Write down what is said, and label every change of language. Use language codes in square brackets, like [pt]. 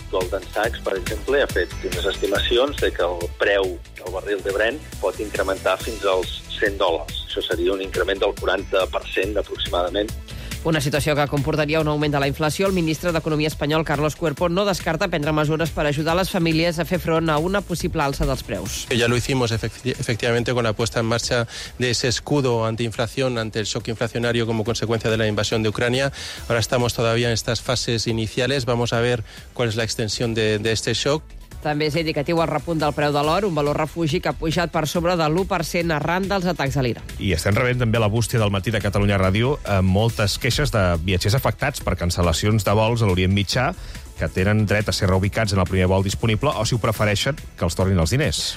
[ca] Goldman Sachs, per exemple, ha fet unes estimacions de que el preu del barril de Brent pot incrementar fins als $100. Això seria un increment del 40% aproximadament. Una situació que comportaria un augment de la inflació. El ministre d'Economia espanyol, Carlos Cuerpo, no descarta prendre mesures per ajudar les famílies a fer front a una possible alça dels preus. [es] Ya lo hicimos efectivamente con la puesta en marcha de ese escudo antiinflación ante el shock inflacionario como consecuencia de la invasión de Ucrania. Ahora estamos todavía en estas fases iniciales. Vamos a ver cuál es la extensión de este shock. [ca] També és indicatiu el repunt del preu de l'or, un valor refugi que ha pujat per sobre de l'1% arran dels atacs a l'Iran. I estem rebent també la bústia del matí de Catalunya Ràdio amb moltes queixes de viatgers afectats per cancel·lacions de vols a l'Orient Mitjà, que tenen dret a ser reubicats en el primer vol disponible o, si ho prefereixen, que els tornin els diners.